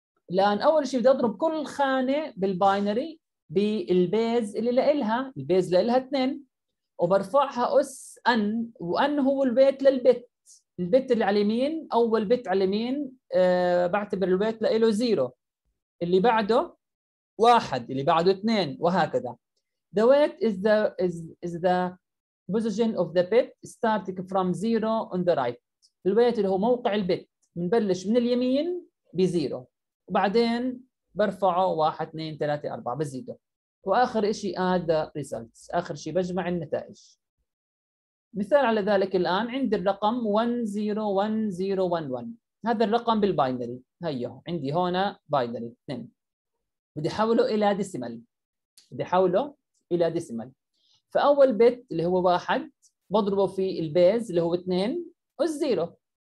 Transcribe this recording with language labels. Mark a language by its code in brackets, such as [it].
[ar] الآن أول شيء بدي أضرب كل خانة بالباينري بالبيز اللي لها، البيز اللي لها 2، وبرفعها أس أن، وأن هو البيت للبت، البت اللي على اليمين أول بت على اليمين بعتبر البيت لإله زيرو، اللي بعده واحد، اللي بعده اثنين وهكذا. [en] The weight is the position of the bit starting from zero on the right. [ar] الويت اللي هو موقع البت منبلش من اليمين بزيرو وبعدين برفعه 1 2 3 4 بزيده وآخر إشي [en] add the results [ar] آخر شيء بجمع النتائج. مثال على ذلك الآن عندي الرقم 101011 هذا الرقم بالباينري هيه عندي هنا باينري 2 بدي حوله إلى ديسيمال بدي حوله إلى ديسيمال فأول بت اللي هو 1 بضربه في البيز اللي هو 2 والزيرو